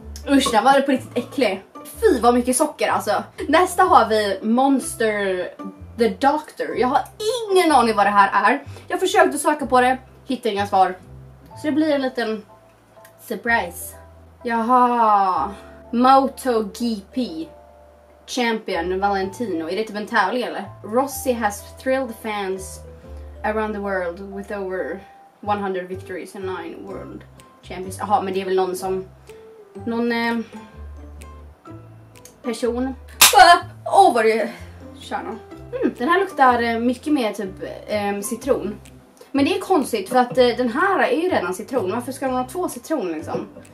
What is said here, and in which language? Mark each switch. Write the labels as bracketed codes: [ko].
[sv] Usch, den var på riktigt äcklig. Fy vad mycket socker alltså. Nästa har vi Monster the Doctor. Jag har ingen aning vad det här är. Jag försökte söka på det, hittade inga svar. Så det blir en liten surprise. Jaha. MotoGP Champion Valentino. Är det typ en tävling eller? [en] Rossi has thrilled fans around the world with over 100 victories and 9 world champions. [sv] Jaha, men det är väl någon som... Någon... person. Åh, vad det är. Den här luktar mycket mer typ citron. Men det är konstigt för att den här är ju redan citron. Varför ska den ha 2 citron liksom?